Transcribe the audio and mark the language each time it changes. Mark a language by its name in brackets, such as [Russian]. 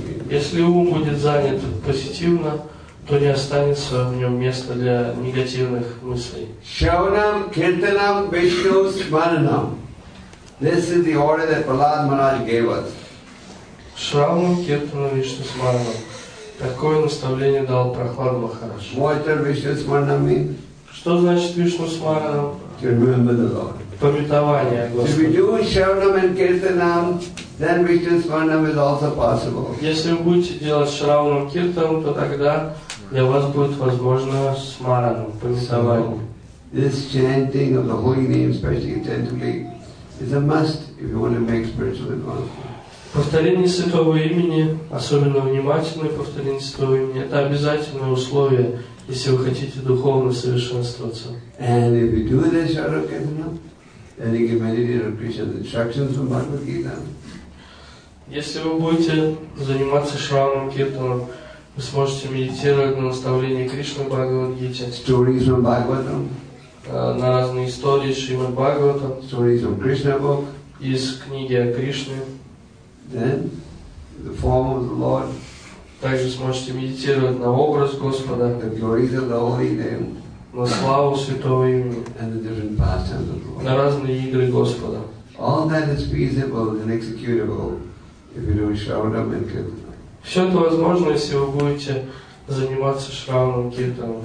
[Russian] Если ум будет занят позитивно, то не останется в нем места для негативных мыслей. [Sanskrit] Шраванам, киртанам, вишну, смаранам. [English] This is the order that Prahlad Maharaj gave us. [Sanskrit] Шраванам, киртанам, вишну, смаранам. [Russian] Такое наставление дал Прохлад Махарадж. [English] What does Vishnu Smarana mean? [Russian] Что значит Vishnu Smarana? [English] To remember the Lord. [Russian] Памятование Господа. [English] If we do Shravanam and Kirtanam, then Vishnu Smarana is also possible. [Russian] Если вы будете делать Shravanam Kirtanam, то тогда для вас будет возможно Smarana, памятование. [English] This chanting of the holy names, especially attentively, is a must if you want to make spiritual advancement. [Russian] Повторение святого имени, особенно внимательное повторение святого имени, это обязательное условие, если вы хотите духовно совершенствоваться. [English] And if you do this, then you can meditate on Krishna's instructions from Bhagavad Gita. [Russian] Если вы будете заниматься Шраванам Киртаном, вы сможете медитировать на наставления Кришны Бхагавад Гите. [English] Stories from Bhagavatam. [Russian] На разные истории Шримад Бхагаватам. [English] Stories from Krishna book. [Russian] Из книги о Кришне. [English] Then, the form of the Lord. [Russian] Также сможете медитировать на образ Господа. [English] The glories of the holy name. [Russian] На славу святого имени. [English] And the different pastimes of the Lord. [Russian] На разные игры Господа. [English] All that is feasible and executable if you do Shravanam and Kirtanam. [Russian] Все это возможно, если вы будете заниматься Шраванам Киртанам.